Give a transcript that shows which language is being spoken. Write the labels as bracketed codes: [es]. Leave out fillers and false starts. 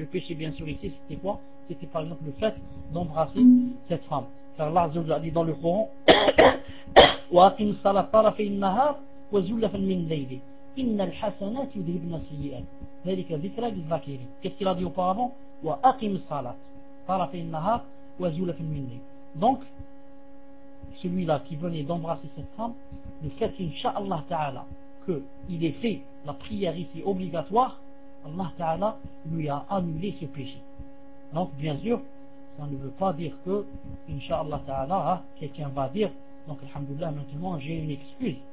[fr] Le péché bien sûr ici c'était quoi? C'était par exemple le fait d'embrasser cette femme. Car Allah azza wa jal a dit dans le Coran, [ar] wa akhim salat tarafi innahar وزلفا من ليله ان الحسنات يذهبن السيئات ذلك ذكرى للذاكرين. [fr] Qu'est-ce qu'il a dit auparavant? [ar] واقم الصلاه طرف النهار وزلفا من ليله. [fr] Donc celui-là qui venait d'embrasser cette femme, le fait inshallah ta'ala que il ait fait la prière ici obligatoire, Allah ta'ala lui a annulé ce péché. Donc bien sûr ça ne veut pas dire que inshallah ta'ala quelqu'un va dire donc alhamdulillah maintenant j'ai une excuse.